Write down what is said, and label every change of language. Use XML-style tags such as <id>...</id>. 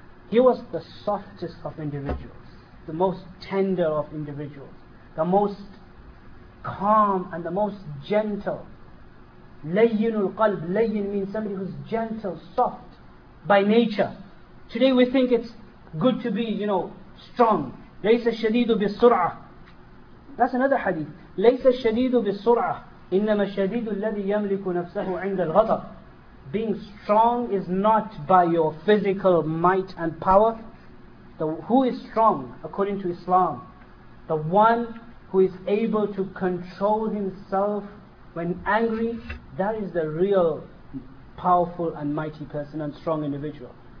<en>He was the softest of individuals. The most tender of individuals. The most calm and the most gentle.</en> <ar>لَيِّنُ الْقَلْبِ.</ar> <en>لَيِّن means somebody who's gentle, soft by nature. Today we think it's good to be, you know, strong.</en> <ar>لَيْسَ الشَّدِيدُ بِالسُّرْعَةِ.</ar> <en>That's another hadith.</en> <ar>لَيْسَ الشَّدِيدُ بِالسُّرْعَةِ. إنما الشديد الذي يملك نفسه عند الغضب.</ar> <en>Being strong is not by your physical might and power. Who is strong according to Islam? The one who is able to control himself when angry, that is the real powerful and mighty person and strong individual.</en>